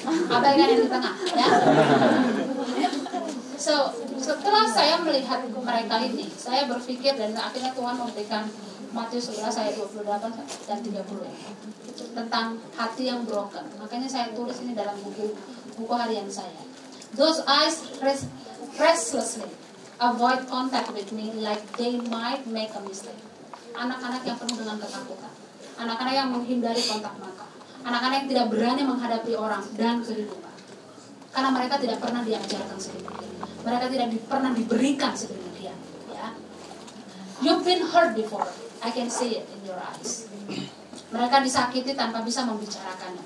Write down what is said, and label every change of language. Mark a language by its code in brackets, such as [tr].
[id] Abaikan yang di tengah ya. So, setelah saya melihat mereka ini, saya berpikir dan akhirnya Tuhan memberikan Matius 11 ayat 28 dan 30 tentang hati yang broken. Makanya saya tulis ini dalam buku harian saya. [en] Those eyes restlessly avoid contact with me like they might make a mistake. [id] Anak-anak yang penuh dengan ketakutan. Anak-anak yang menghindari kontak mata. Anak-anak yang tidak berani menghadapi orang dan kehidupan. Karena mereka tidak pernah diajarkan sedemikian. Mereka tidak pernah diberikan sedemikian. [en] You've been hurt before. I can see it in your eyes. [id] Mereka disakiti tanpa bisa membicarakannya.